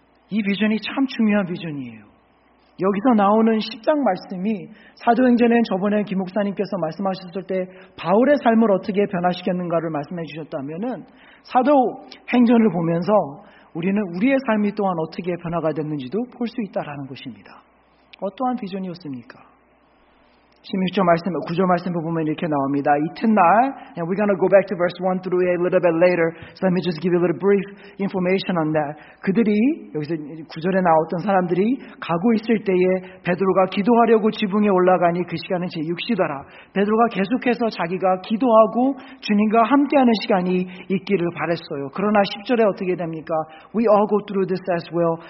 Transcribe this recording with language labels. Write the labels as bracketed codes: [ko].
[ko] 이 비전이 참 중요한 비전이에요. 여기서 나오는 10장 말씀이 사도행전에 저번에 김 목사님께서 말씀하셨을 때 바울의 삶을 어떻게 변화시켰는가를 말씀해 주셨다면은 사도행전을 보면서 우리는 우리의 삶이 또한 어떻게 변화가 됐는지도 볼 수 있다라는 것입니다. 어떠한 비전이었습니까? 16절 말씀, 9절 말씀을 보면 이렇게 나옵니다. 이튿날, [en] and we're going to go back to verse 1 through 8 a little bit later, so let me just give you a little brief information on that. [ko] 그들이, 여기서 9절에 나왔던 사람들이 가고 있을 때에 베드로가 기도하려고 지붕에 올라가니 그 시간은 제6시더라. 베드로가 계속해서 자기가 기도하고 주님과 함께하는 시간이 있기를 바랬어요. 그러나 10절에 어떻게 됩니까? [en] We all go through this as well.